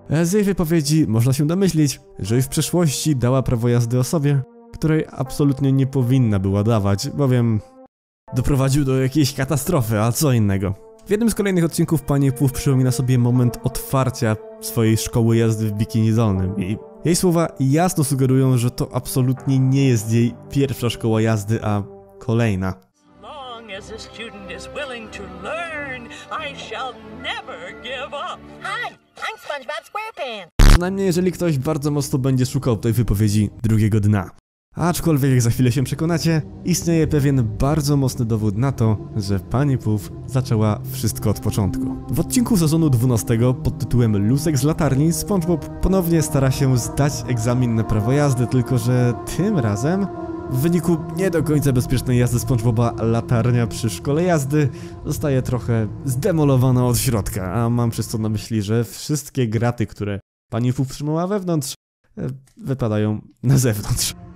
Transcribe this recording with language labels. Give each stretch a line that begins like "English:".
Polish: Z jej wypowiedzi można się domyślić, że już w przeszłości dała prawo jazdy osobie, której absolutnie nie powinna była dawać, bowiem doprowadził do jakiejś katastrofy, a co innego. W jednym z kolejnych odcinków Pani Puff przypomina sobie moment otwarcia swojej szkoły jazdy w Bikini Dolnym i jej słowa jasno sugerują, że to absolutnie nie jest jej pierwsza szkoła jazdy, a kolejna.
English: As a student is willing to learn, I shall never give up. Hi, I'm SpongeBob SquarePants.
Polish: Przynajmniej jeżeli ktoś bardzo mocno będzie szukał tej wypowiedzi drugiego dna. Aczkolwiek jak za chwilę się przekonacie, istnieje pewien bardzo mocny dowód na to, że Pani Puff zaczęła wszystko od początku. W odcinku sezonu 12 pod tytułem Lusek z latarni SpongeBob ponownie stara się zdać egzamin na prawo jazdy, tylko że tym razem w wyniku nie do końca bezpiecznej jazdy SpongeBoba latarnia przy szkole jazdy zostaje trochę zdemolowana od środka, a mam przez to na myśli, że wszystkie graty, które Pani Puff trzymała wewnątrz, wypadają na zewnątrz.